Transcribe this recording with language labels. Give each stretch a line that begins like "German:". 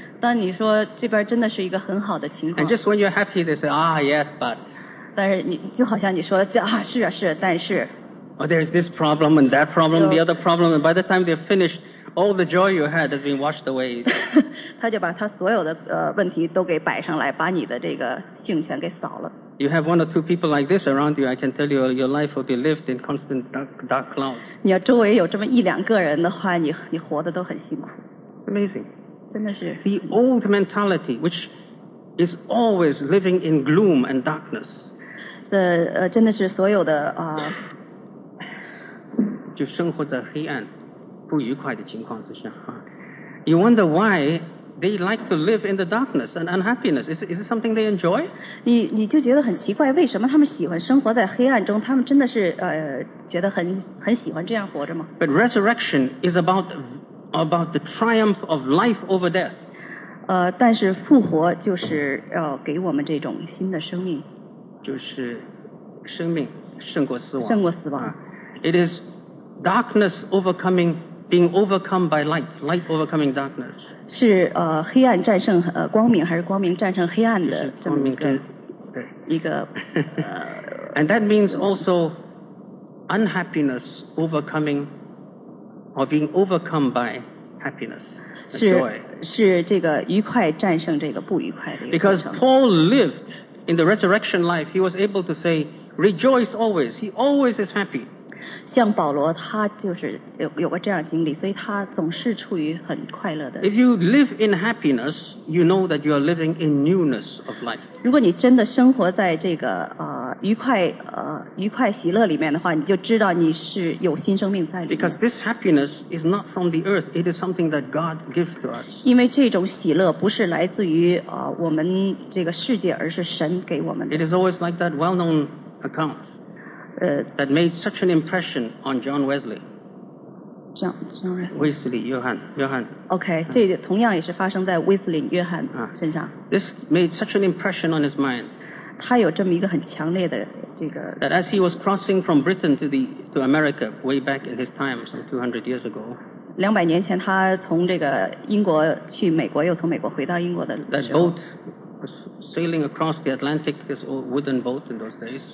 Chinese: 当你说这边真的是一个很好的情况。
English: And just when you're happy, they say, ah, yes, but.
Chinese: 但是你就好像你说啊是啊是啊但是。
English: Oh, there's this problem and that problem, the other problem, and by the time they're finished. All the joy you had has been washed away.
Chinese: 他就把他所有的问题都给摆上来，把你的这个性全给扫了。
English: You have one or two people like this around you, I can tell you your life will be lived in constant dark clouds.
Chinese: 你要周围有这么一两个人的话，你活得都很辛苦。
English: Amazing.
Chinese: 真的是。
English: The old mentality, which is always living in gloom and darkness.
Chinese: 真的是所有的就生活在黑暗。不愉快的情况之下、啊、
English: You wonder why they like to live in the darkness and unhappiness. Is it something they enjoy?
Chinese: 你就觉得很奇怪，为什么他们喜欢生活在黑暗中？他们真的是觉得很喜欢这样活着吗
English: ？But resurrection is about the triumph of life over death.
Chinese: 但是复活就是要给我们这种新的生命，就是生命胜过死亡，胜过死亡。
English: It is. Darkness overcoming, being overcome by light. Light overcoming darkness.
Chinese: 是黑暗战胜光明，还是光明战胜黑暗的这么一个一个
English: And that means also unhappiness overcoming or being overcome by happiness, joy.
Chinese: 是这个愉快战胜这个不愉快的一个过程。
English: Because Paul lived in the resurrection life, he was able to say, rejoice always. He always is happy.
Chinese: 像保罗他就是 有个这样的经历，所以他总是处于很快乐的。
English: If you live in happiness, you know that you are living in newness of life.
Chinese: 如果你真的生活在这个愉快喜乐里面的话，你就知道你是有新生命在里面。
English: Because this happiness is not from the earth, it is something that God gives to us.
Chinese: 因为这种喜乐不是来自于我们这个世界，而是神给我们的。
English: It is always like that well-known account that made such an impression on John Wesley. John Wesley, Johann. Okay,
Chinese: 这同样也是发生在 Wesley 约翰身上。
English: This made such an impression on his mind.
Chinese: 他有这么一个很强烈的这个。
English: That as he was crossing from Britain to America way back in his time, some 200 years ago.
Chinese: 两百年前，他从这个英国去美国，又从美国回到英国的时候。
English: That boat. Sailing across the Atlantic, this old wooden boat in those days.